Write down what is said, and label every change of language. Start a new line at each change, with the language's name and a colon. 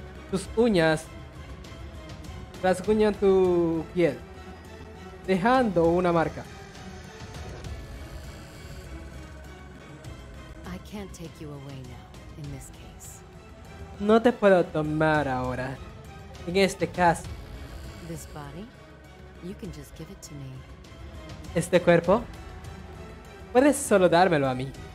Spanish: Tus uñas rasguñan tu piel, dejando una marca.
English: Can't take you away now, in this case.
Spanish: No te puedo tomar ahora, en este caso.
English: This body? You can just give it to me.
Spanish: ¿Este cuerpo? Puedes solo dármelo a mí.